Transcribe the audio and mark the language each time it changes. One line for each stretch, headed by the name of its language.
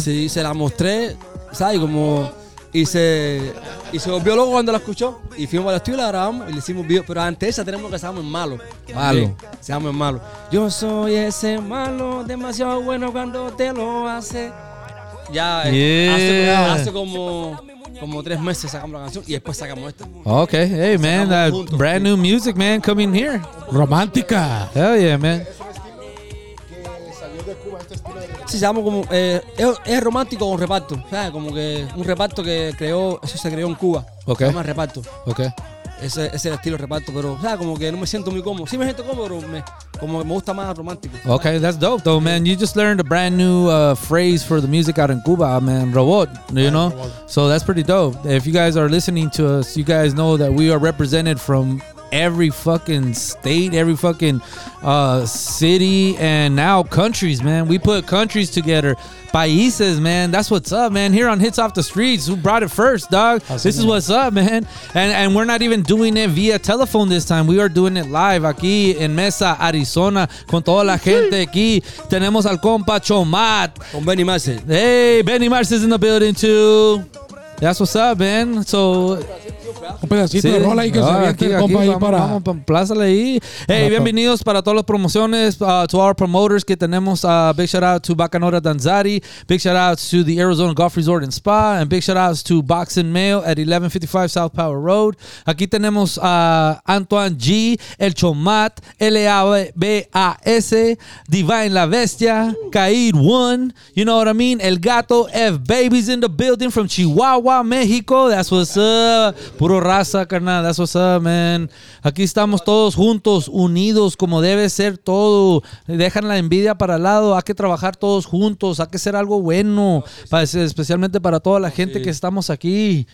Spanish: Sí, se la mostré, ¿sabes? Como... Y se volvió loco cuando la escuchó. Y fuimos al estudio y la grabamos y le hicimos video. Pero antes esa tenemos que estábamos en malo. Malo. Seamos en malo. Yo soy ese malo, demasiado bueno cuando te lo hace. Ya, hace como 3 meses sacamos la canción y después sacamos esta.
English: Ok, hey man, that brand new music, man, coming here.
Spanish: Romántica.
English: Hell yeah, man.
Spanish: Sí, se llama como es romántico con reparto, ¿sabes? Como que un reparto que creó, eso se creó en Cuba.
English: Okay.
Spanish: Se llama reparto.
English: Okay.
Spanish: Ese es el estilo reparto, pero ¿sabes? Como que no me siento muy cómodo. Sí me siento cómodo, pero me gusta más romántico.
English: Ok,
Spanish: ¿sabes?
English: That's dope though, man. You just learned a brand new phrase for the music out in Cuba, man. Robot, you know? So that's pretty dope. If you guys are listening to us, you guys know that we are represented from every fucking state, every fucking city, and now countries, man. We put countries together. Países, man. That's what's up, man. Here on Hits Off the Streets, who brought it first, dog? This is what's up, man. And we're not even doing it via telephone this time. We are doing it live
Spanish: aquí en Mesa, Arizona, con toda la gente aquí. Tenemos al compa Chomat. Con Benny Marce.
English: Hey, Benny Marce is in the building, too. That's what's up, man. So...
Spanish: Un pedacito de rola ahí que se aviente el compa ahí para... Plázale ahí. Hey, para bienvenidos para todas las promociones,
English: to our promoters
Spanish: que tenemos.
English: Big shout-out to Bacanora Danzari. Big shout-out to the Arizona Golf Resort and Spa. And big shout-out to Boxing Mail at 1155 South Power Road.
Spanish: Aquí tenemos a Antuan G, El Chomat, L-A-B-A-S, Devine la Bestia, Kair 1,
English: you know what I mean? El Gato Fbaby's in the building from Chihuahua, Mexico. That's what's up.
Spanish: Puro raza, carnal.
English: That's what's up, man.
Spanish: Aquí estamos todos juntos, unidos, como debe ser todo. Dejan la envidia para el lado. Hay que trabajar todos juntos. Hay que ser algo bueno, especialmente para toda la gente que estamos aquí.